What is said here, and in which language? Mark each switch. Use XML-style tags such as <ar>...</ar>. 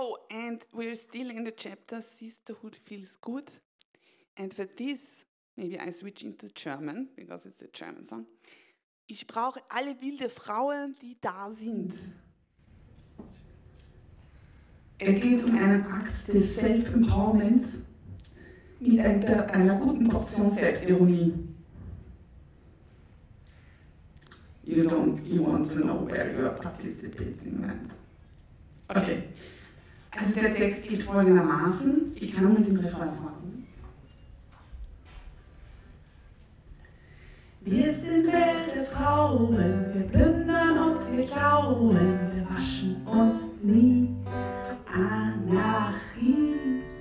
<en>And we're still in the chapter Sisterhood Feels Good. And for this, maybe I switch into German, because it's a German song.</en> <de>Ich brauche alle wilde Frauen, die da sind. Es geht um einen Akt des Self-Empowerments mit einer guten Portion Selbstironie.</de> <en>You want to know where you are participating, man. Okay.</en> <de>Also der Text geht folgendermaßen, ich kann mit dem Refrain fortfahren. Wir sind wilde Frauen, wir plündern und wir klauen, wir waschen uns nie Anarchie.</de>